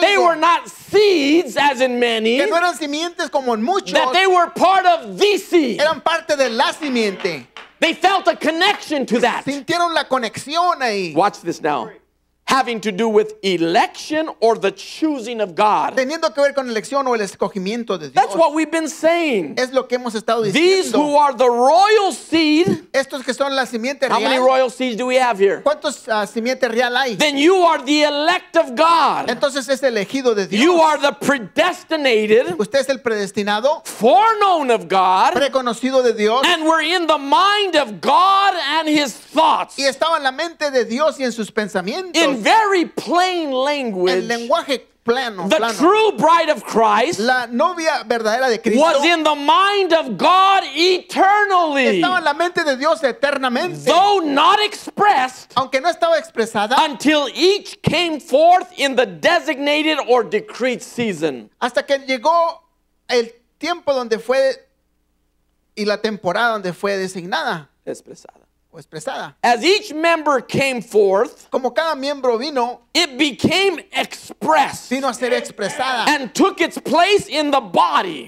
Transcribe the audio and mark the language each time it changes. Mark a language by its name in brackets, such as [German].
[English] They were not seeds as in many. [Spanish] Que no eran simientes como en muchos. [English] That they were part of the seed. [Spanish] Eran parte de la simiente. [English] They felt a connection to that. [Spanish] Sintieron la conexión ahí. [English] Watch this now. having to do with election or the choosing of God. [Spanish] Teniendo que ver con elección o el escogimiento de Dios. [English] That's what we've been saying. [Spanish] Es lo que hemos estado diciendo. [English] These who are the royal seed. [Spanish] Estos que son la simiente real. [English] How many royal seeds do we have here? [Spanish] ¿Cuántos simiente real hay? [English] Then you are the elect of God. [Spanish] Entonces es elegido de Dios. [English] You are the predestinated. [Spanish] Usted es el predestinado. [English] Foreknown of God. [Spanish] Preconocido de Dios. [English] And we're in the mind of God and His thoughts. [Spanish] Y estaba en la mente de Dios y en sus pensamientos. [English] In very plain language, [Spanish] el lenguaje plano, [English] the [Spanish] plano, [English] true bride of Christ, [Spanish] la novia verdadera de Cristo, [English] was in the mind of God eternally. [Spanish] Estaba en la mente de Dios eternamente, [English] though not expressed, [Spanish] aunque no estaba expresada, [English] until each came forth in the designated or decreed season. [Spanish] Hasta que llegó el tiempo donde fue y la temporada donde fue designada. Expresada. [English] As each member came forth, [Spanish] como cada miembro vino, [English] it became expressed, [Spanish] vino a ser expresada, [English] and took its place in the body.